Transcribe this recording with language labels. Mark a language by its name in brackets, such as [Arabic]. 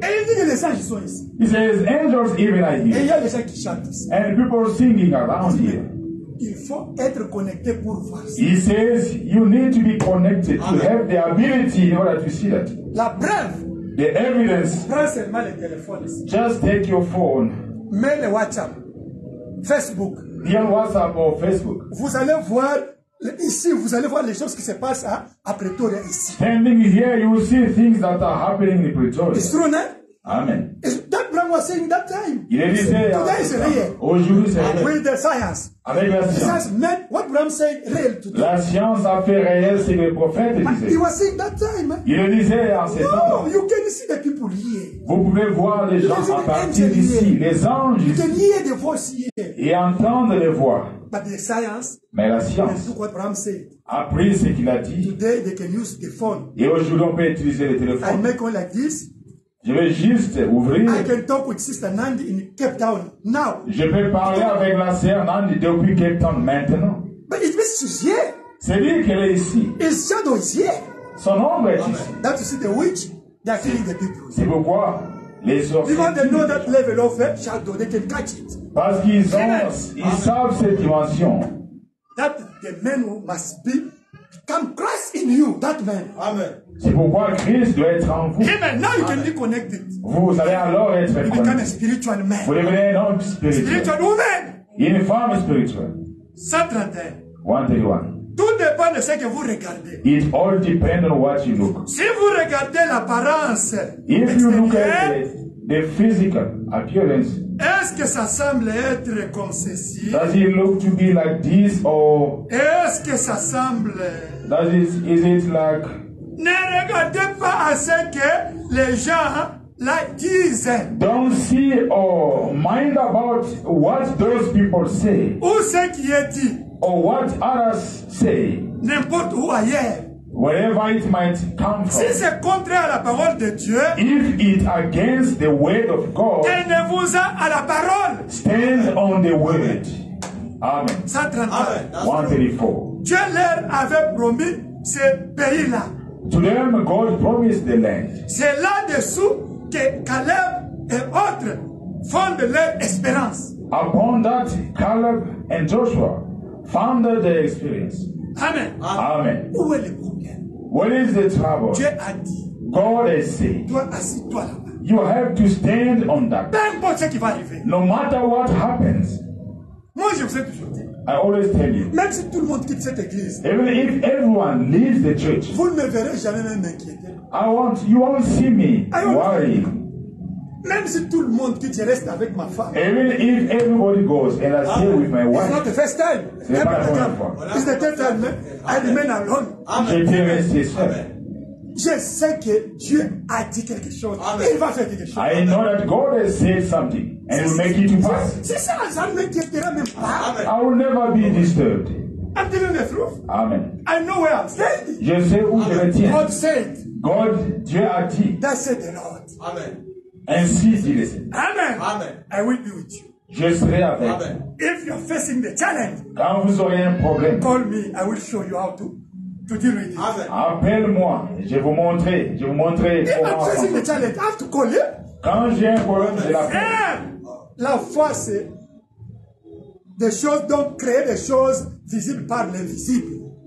[French] Et il dit que les anges sont ici. [English] He says angels even are here. [French] Et il y a des gens qui chantent. [English] And people singing around here. [French] Il faut être connecté pour voir ça. [English] He says you need to be connected amen. To have the ability in order to see that. [French] La preuve. [English] The evidence. [French] Prends seulement les téléphones. [English] Just take your phone. [French] Mets le WhatsApp. Facebook. Bien WhatsApp ou Facebook. Vous allez voir ici, vous allez voir les choses qui se passent à Pretoria ici. [English] Standing here, you will see things that are happening in Pretoria. It's true, [French] non? Amen. [English] That Bram was saying that time. [French] Il a dit, [English] today is real. [French] Aujourd'hui, c'est vrai. [English] With the science. [French] Avec la science. [English] Science meant what Bram said real today. [French] La science a fait réel, c'est le prophète disait. [English] He was saying that time. [French] Il le disait en ces temps. [English] No, you can see the people here. [French] Vous pouvez voir les gens à partir d'ici. Les anges. [English] You can hear the voice here. [French] Et entendre les voix. [English] But the science. [French] Mais la science. [English] What Bram said. [French] A pris ce qu'il a dit. [English] Today they can use the phone. [French] Et aujourd'hui, on peut utiliser le téléphone. [English] I make one like this. [French] Je vais juste ouvrir. [English] I can talk with Sister Nandi in Cape Town now. [French] Je peux parler avec la sœur Nandi depuis Cape Town maintenant. [English] But it means she's here. [French] C'est dire qu'elle est ici. [English] His shadow is here. [French] Son ombre est ici. [English] That you see the witch, they are killing the people. [French] C'est pourquoi les sorciers. [English] Because they know that level of shadow, they can catch it. [French] Parce qu'ils ont, amen. Ils savent cette dimension. [English] That the man must be. Come Christ in you, that man. Amen. [French] C'est pourquoi Christ doit être en vous. [English] Amen. Now you can be connected. [French] Vous allez alors être connecté. [English] You become a spiritual man. [French] Vous devenez un homme spirituel. [English] Spiritual woman. [French] Une femme spirituelle. 131. 131. Tout dépend de ce que vous regardez. [English] It all depends on what you look. [French] Si vous regardez l'apparence, [English] if you look at the physical appearance, [French] est-ce que ça semble être comme ceci? [English] Does it look to be like this or? [French] Est-ce que ça semble? [English] Does it is it like? [French] Ne regardez pas à ce que les gens la disent. [English] Don't see or mind about what those people say. [French] Où ce qui est dit? [English] Or what others say. [French] N'importe où ailleurs. [English] Wherever it might come from. [French] Si c'est contraire à la parole de Dieu. [English] If it against the word of God. [French] Tenez-vous à la parole. [English] Stand on the word. Amen. [French] 134. Dieu leur avait promis ce pays-là. [English] To them, God promised the land. [French] C'est là-dessous que Caleb et autres fondent leur espérance. [English] Upon that, Caleb and Joshua founded their experience. Amen. Amen. [French] Où est le problème? [English] What is the trouble? [French] Dieu a dit. [English] God has said. [French] Toi, assis-toi là-bas. [English] You have to stand on that. [French] Peu importe ce qui va arriver. [English] No matter what happens. [French] Moi, je vous ai toujours dit. [English] I always tell you. [French] Même si tout le monde quitte cette église. [English] Even if everyone leaves the church. [French] Vous ne me verrez jamais même m'inquiéter. [English] I won't. You won't see me worrying. [French] Même si tout le monde quitte, je reste avec ma femme. [English] Even if everybody goes and I stay with my wife. It's not the first time. It's the third time. I remain alone. Amen. [French] Je sais que Dieu a dit quelque chose. Amen. Il va faire quelque chose. [English] I know that God has said something. And will make it to pass. [French] Ça, [English] I will never be disturbed. I'm telling the truth. Amen. I know where I'm standing. [French] Je sais où je retiens. [English] God said. [French] God, Dieu a dit. [English] That said the Lord. Amen. And see, Jesus. Amen. Amen. I will be with you. [French] Je serai avec. Amen. [English] If you're facing the challenge. [French] Quand vous aurez un problème. [English] Call me. I will show you how to deal with it. Amen. [French] Appelle-moi. Je vous montrerai. Je vous montrerai. [English] If I'm facing the challenge, I have to call you. [French] Quand j'ai un problème, je l'appelle. La foi, c'est des choses, donc créer des choses visibles par l'invisible.